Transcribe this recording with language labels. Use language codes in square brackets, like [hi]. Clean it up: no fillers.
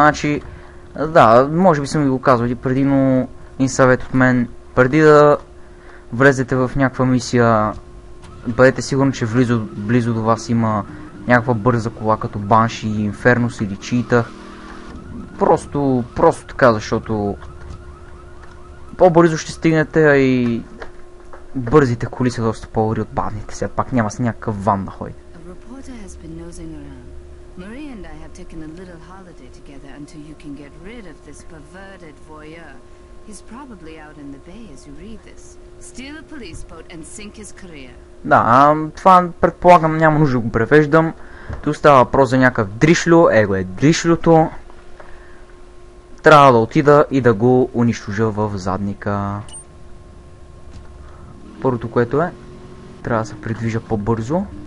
[bg] Значи, да, може би съм ви го казвал и преди, но един съвет от мен, преди да влезете в някаква мисия, бъдете сигурни, че близо до вас има някаква бърза кола като Банши, Инфернос или Читах. Просто така, защото по-бързо ще стигнете и бързите коли са доста по-добри от бавните, все пак няма с някакъв ван да ходи. [en] A reporter has been nosing around. Marie and I have taken a little holiday together until you can get rid of this perverted voyeur. He's probably out in the bay as you read this. Steal a police boat and sink his career. [bg] Да, това предполагам няма нужда да го превеждам. Тук става въпрос за някакъв дришлю, его е дришлюто. Трябва да отида и да го унищожа в задника. Първото, което е, трябва да се придвижа по-бързо.